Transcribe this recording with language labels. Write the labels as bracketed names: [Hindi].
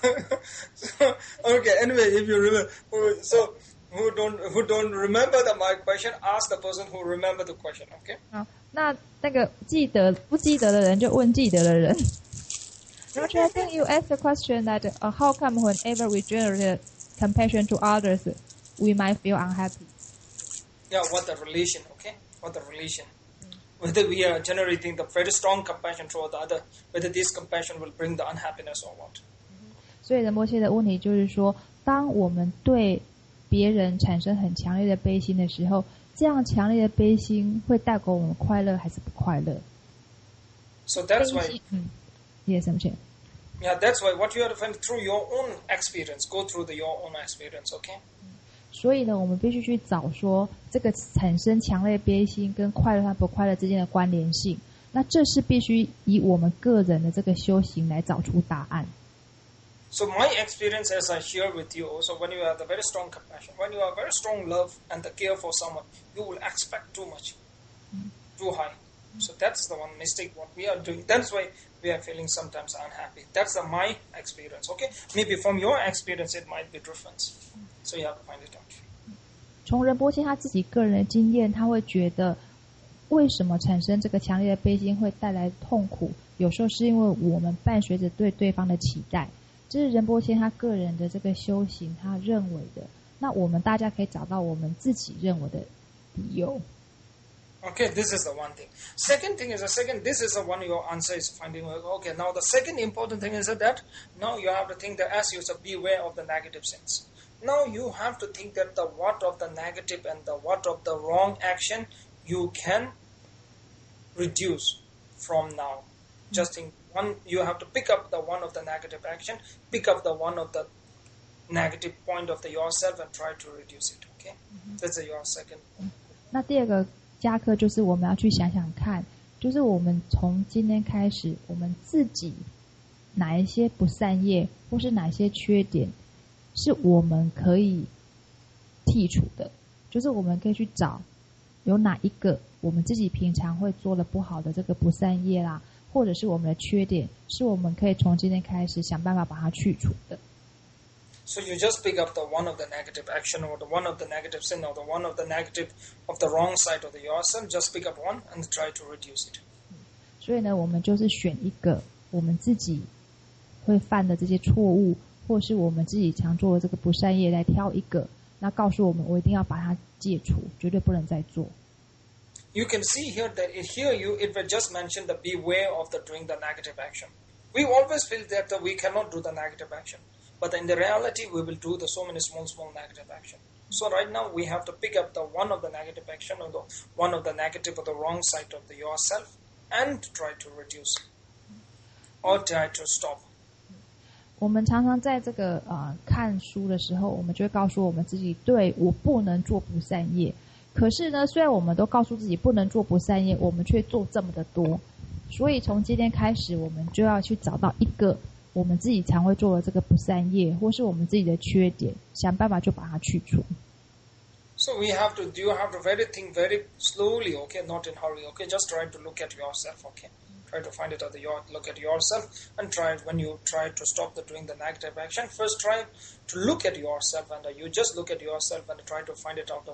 [English] Okay, anyway, if you remember, who don't remember the my question, ask the person who remember the question, okay? [Chinese] 那个记得不记得的人就问记得的人。 [English] Roger, I think you asked the question that how come whenever we generate compassion to others, we might feel unhappy? Yeah, what the relation, okay? What the relation? Whether we are generating the very strong compassion toward the other, whether this compassion will bring the unhappiness or what? [Chinese] 所以仁波切的问题就是说，当我们对别人产生很强烈的悲心的时候，这样强烈的悲心会带给我们快乐还是不快乐？ [English] So that's why. Yes, I'm sure. Yeah, that's why what you have to find through your own experience, go through your own experience, okay? [Chinese] 所以呢，我们必须去找说这个产生强烈悲心跟快乐和不快乐之间的关联性。那这是必须以我们个人的这个修行来找出答案。 [English] So my experience, as I share with you, also when you have a very strong compassion, when you have very strong love and the care for someone, you will expect too much, too high. So that's the one mistake what we are doing. That's why we are feeling sometimes unhappy. That's my experience, okay? Maybe from your experience, it might be different. So you have to find it out. [Chinese] 从仁波切他自己个人的经验，他会觉得为什么产生这个强烈的悲心会带来痛苦？有时候是因为我们伴随着对对方的期待。这是仁波切他个人的这个修行，他认为的。那我们大家可以找到我们自己认为的理由。 [English] Okay, this is the one thing. Second thing is the second, this is the one your answer is finding. Okay, now the second important thing is that now you have to think that as you said, beware of the negative sins. Now you have to think that the what of the negative and the what of the wrong action you can reduce from now. Just think, one, you have to pick up the one of the negative action, pick up the one of the negative point of the yourself and try to reduce it, okay? That's your second. [Chinese] 那第二个加课就是我们要去想想看，就是我们从今天开始，我们自己哪一些不善业或是哪一些缺点是我们可以剔除的，就是我们可以去找有哪一个我们自己平常会做的不好的这个不善业啦，或者是我们的缺点是我们可以从今天开始想办法把它去除的。 [English] So you just pick up the one of the negative action or the one of the negative sin or the one of the negative of the wrong side of the yourself, just pick up one and try to reduce it. [Chinese] 所以呢，我们就是选一个我们自己会犯的这些错误，或是我们自己常做的这个不善业来挑一个，那告诉我们我一定要把它戒除，绝对不能再做。 [English] You can see here that it, here you, it was just mentioned the beware of the doing the negative action. We always feel that we cannot do the negative action. But in the reality, we will do the so many small, small negative action. So right now, we have to pick up the one of the negative action or the one of the negative or the wrong side of the yourself and try to reduce or try to stop. [Chinese] 我们常常在这个看书的时候，我们就会告诉我们自己，对，我不能做不善业。可是呢，虽然我们都告诉自己不能做不善业，我们却做这么的多。所以从今天开始，我们就要去找到一个我们自己常会做的这个不善业，或是我们自己的缺点，想办法就把它去除。 [English] So we have to, you have to very think very slowly, okay? Not in hurry, okay? Just try to look at yourself, okay? Try to find it out. Look at yourself and try it. When you try to stop the doing the negative action, first try to look at yourself and you just look at yourself and try to find it out.